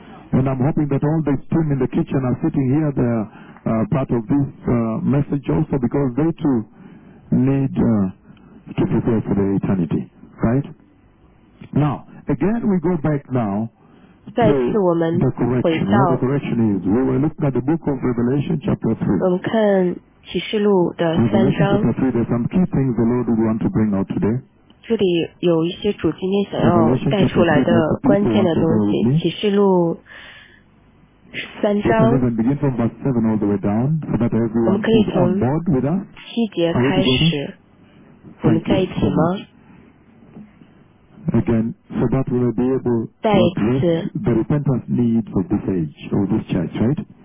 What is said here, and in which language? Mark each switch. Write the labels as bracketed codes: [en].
[en] And I'm hoping that all the team in the kitchen are sitting here. They're part of this message also, because they too need to prepare for the eternity. Right? Now, again, we go back now to the correction. What the correction is. We were looking at the book of Revelation, chapter 3. Revelation, chapter 3. There are some key things the Lord would want to bring out today. [zh] 这里有一些主今天想要带出来的关键的东西，启示录三章，我们可以从七节开始，我们在一起吗？ [en] Again, so that we will be able to address the repentance needs of this age or this church, right?